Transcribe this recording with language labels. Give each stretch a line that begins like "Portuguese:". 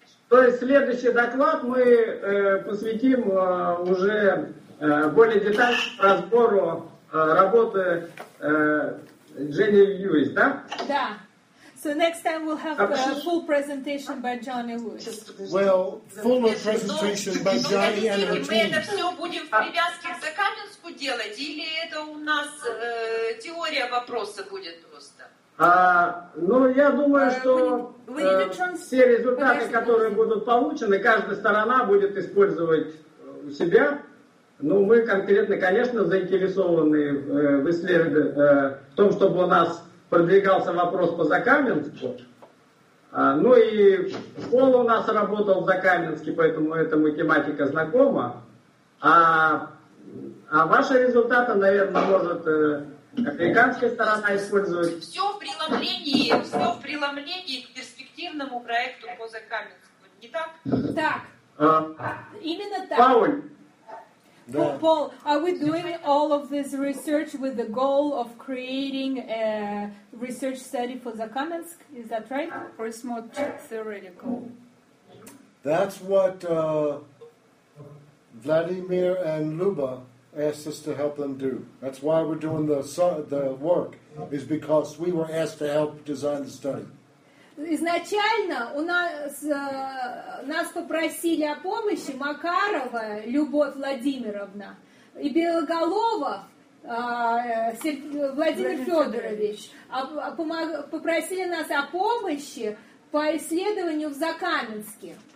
Russian: То есть следующий доклад мы посвятим уже более детальному разбору работы Дженни Льюис, да? Да.
English: So next time we'll have a full presentation by Johnny Lewis. Well, full presentation by Johnny and her team.
Russian: Мы это все будем в привязке к Закаменску делать, или это у нас теория вопроса будет просто? Ну, я думаю, что все результаты, которые будут получены, каждая сторона будет использовать у себя. Ну, мы конкретно, конечно, заинтересованы в исследовании, в том, чтобы у нас продвигался вопрос по Закаменску. Ну, и школа у нас работала в Закаменске, поэтому эта математика знакома. А ваши результаты, наверное, может... Американская сторона использует. Все в преломлении к перспективному проекту по Закаменску. Не так? Так. Именно так. Пауль. Да.
English: Пол, are we doing all of this research with the goal of creating a research study for Закаменск? Is that right? Or is more theoretical? That's what Vladimir and Luba asked us to help them do. That's why we're doing the work, is because we were asked to help design the study.
Russian: Изначально у нас нас попросили о помощи Макарова, Любовь Владимировна и Белоголовов, Владимир Федорович, попросили нас о помощи по исследованию в Закаменске.